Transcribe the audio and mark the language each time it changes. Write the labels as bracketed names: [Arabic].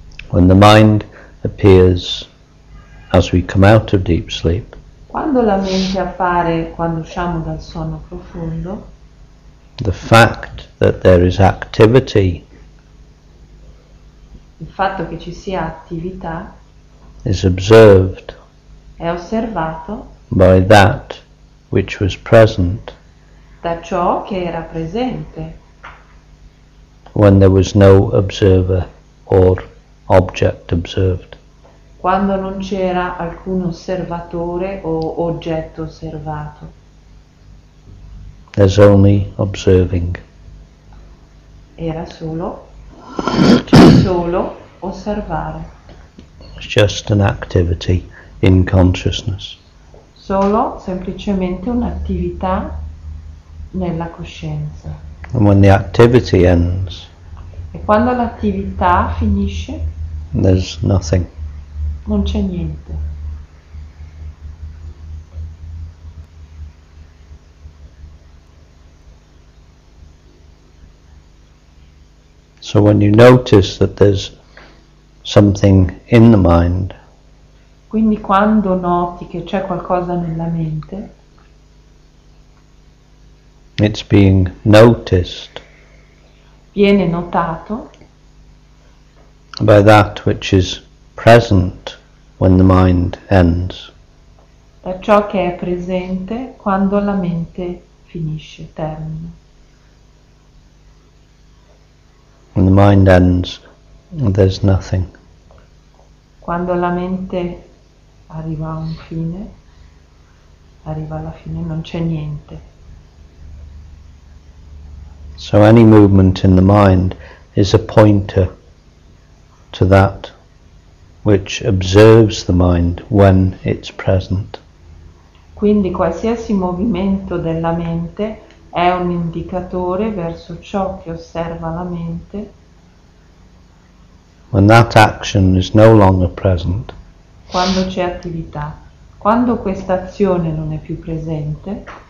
[English] When the mind appears as we come out of deep sleep, [Italian] quando la mente appare quando usciamo dal sonno profondo, [English] the fact that there is activity, [Italian] il fatto che ci sia attività, [English] is observed, [Italian] è osservato, [English] by that which was present, [Italian] da ciò che era presente, [English] when there was no observer or object observed, [Italian] quando non c'era alcun osservatore o oggetto osservato. [English] There's only observing. [Italian] Era solo, cioè solo osservare. [English] It's just an activity in consciousness. [Italian] Solo, semplicemente un'attività nella coscienza. [English] And when the activity ends, [Italian] e quando l'attività finisce, [English] there's nothing. [Italian] Non c'è niente. [English] So when you notice that there's something in the mind, [Italian] quindi quando noti che c'è qualcosa nella mente, [English] it's being noticed, [Italian] viene notato, [English] by that which is present when the mind ends, [Italian] da ciò che è presente quando la mente finisce, termina. [English] When the mind ends, there's nothing. [Italian] Quando la mente arriva a un fine, arriva alla fine, non c'è niente. [English] So any movement in the mind is a pointer to that which observes the mind when it's present. [Italian] Quindi qualsiasi movimento della mente è un indicatore verso ciò che osserva la mente. [English] When that action is no longer present, [Italian] quando c'è attività, quando questa azione non è più presente,